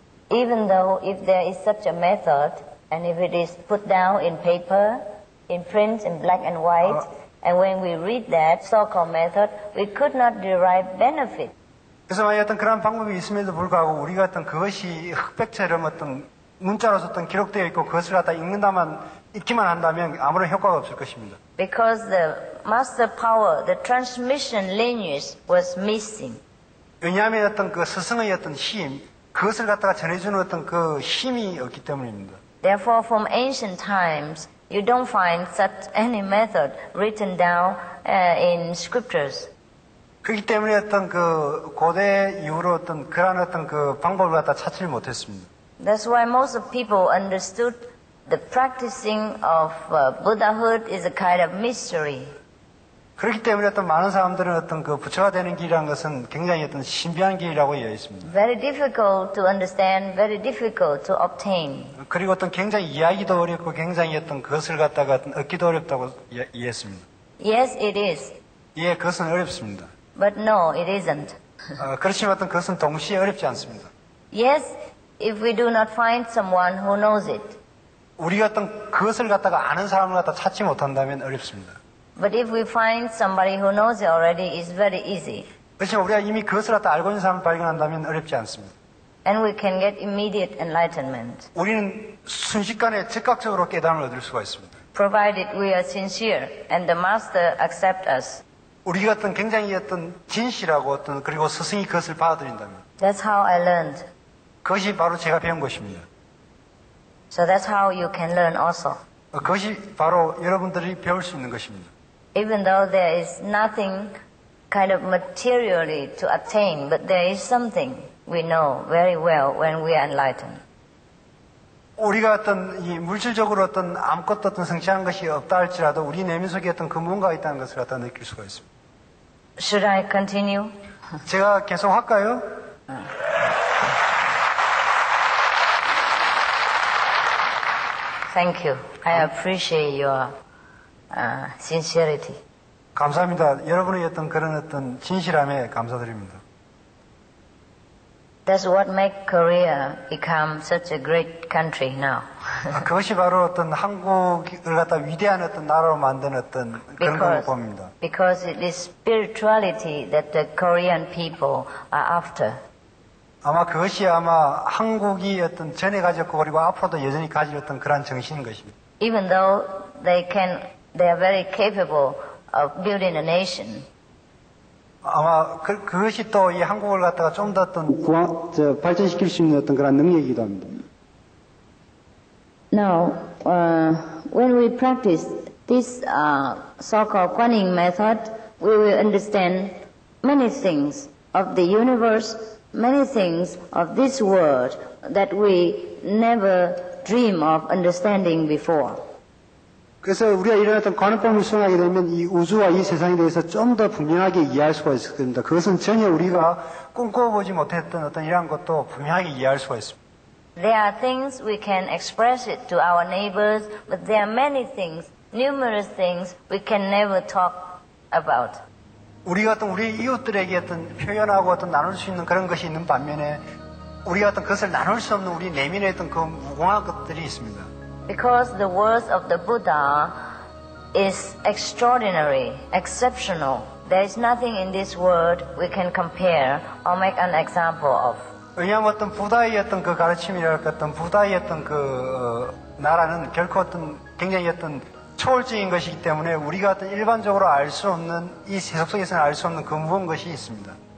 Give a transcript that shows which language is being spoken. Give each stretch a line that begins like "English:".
English: Even though if there is such a method and if it is put down in paper, in print, in black and white, and when we read that so-called method, we could not derive benefit.
Korean: 그래서 만약에 어떤 그런 방법이 있음에도 불구하고 우리가 어떤 그것이 흑백처럼 어떤 문자로서 어떤 기록되어 있고 그것을 갖다 읽는다만 읽기만 한다면 아무런 효과가 없을 것입니다.
English: Because the master power, the transmission lineage was missing.
Korean: 왜냐하면 어떤 그 스승의 어떤 힘, 그것을 갖다가 전해주는 어떤 그 힘이 없기 때문입니다.
English: Therefore, from ancient times, you don't find such any method written down in scriptures.
Korean: 그렇기 때문에 어떤 그 고대 이후로 어떤 그런 어떤 그 방법을 갖다 찾지를 못했습니다.
English: That's why most of people understood the practicing of Buddhahood is a kind of mystery.
Korean: 그렇기 때문에 어떤 많은 사람들은 어떤 그 부처가 되는 길이라는 것은 굉장히 어떤 신비한 길이라고 이해 있습니다.
English: Very difficult to understand, very difficult to obtain.
Korean: 그리고 어떤 굉장히 이해하기도 어렵고 굉장히 어떤 그것을 갖다가 어떤 얻기도 어렵다고 이해했습니다.
English: Yes, it is.
Korean: 예, 그것은 어렵습니다.
English: But no, it isn't.
Korean: 그렇지만 어떤 그것은 동시에 어렵지 않습니다.
English: Yes, if we do not find someone who knows it.
Korean: 우리가 어떤 그것을 갖다가 아는 사람을 갖다 찾지 못한다면 어렵습니다.
English: But if we find somebody who knows it already, it's very easy.
Korean: 그렇지만 우리가 이미 그것을 갖다 알고 있는 사람을 발견한다면 어렵지 않습니다.
English: And we can get immediate enlightenment.
Korean: 우리는 순식간에 즉각적으로 깨달음을 얻을 수가 있습니다.
English: Provided we are sincere and the master accept us.
Korean: 우리 같은 굉장히 어떤 진실하고 어떤 그리고 스승이 그것을 받아들인다면.
English: That's how I learned.
Korean: 그것이 바로 제가 배운 것입니다.
English: So that's how you can learn also.
Korean: 그것이 바로 여러분들이 배울 수 있는 것입니다.
English: Even though there is nothing kind of materially to attain, but there is something we know very well when we are enlightened.
Korean: 우리가 어떤 이 물질적으로 어떤 아무것도 어떤 성취한 것이 없다 할지라도 우리 내면 속에 어떤 그 뭔가 있다는 것을 갖다 느낄 수가 있습니다.
English: Should I continue?
Korean: 제가 계속 할까요? 응.
English: Thank you. I appreciate your sincerity.
Korean: 감사합니다. 여러분의 어떤 그런 어떤 진실함에 감사드립니다.
English: That's what make Korea become such a great country now.
Korean: 그것이 바로 어떤 한국을 갖다 위대한 어떤 나라로 만든 어떤 그런 방법입니다.
English: Because it is spirituality that the Korean people are after.
Korean: 아마 그것이 아마 한국이 어떤 전에 가졌고 그리고 앞으로도 여전히 가질 어떤 그런 정신인 것입니다.
English: Even though they are very capable of building a nation.
Korean: 아마 그것이 또 이 한국을 갖다가 좀 더 어떤 발전시킬 수 있는 어떤 그런 능력이기도 합니다.
English: Now, when we practice this so-called Guanyin method, we will understand many things of the universe, many things of this world that we never dream of understanding before.
Korean: 그래서 우리가 이런 어떤 관음법을 수행하게 되면 이 우주와 이 세상에 대해서 좀 더 분명하게 이해할 수가 있을 겁니다. 그것은 전혀 우리가 꿈꿔보지 못했던 어떤 이런 것도 분명하게 이해할 수가 있습니다.
English: There are things we can express it to our neighbors, but there are many things, numerous things we can never talk about.
Korean: 우리가 어떤 우리 이웃들에게 어떤 표현하고 어떤 나눌 수 있는 그런 것이 있는 반면에 우리가 어떤 그것을 나눌 수 없는 우리 내면의 어떤 그 무궁한 것들이 있습니다.
English: Because the words of the Buddha is extraordinary, exceptional. There is nothing in this world we can compare or make an example of.
Korean: 왜냐하면 어떤 부다의 어떤 그 가르침이랄까 어떤 부다의 어떤 그 나라는 결코 어떤 굉장히 어떤 초월적인 것이기 때문에 우리가 어떤 일반적으로 알 수 없는 이 세속 속에서는 알 수 없는 그 무거운 것이 있습니다.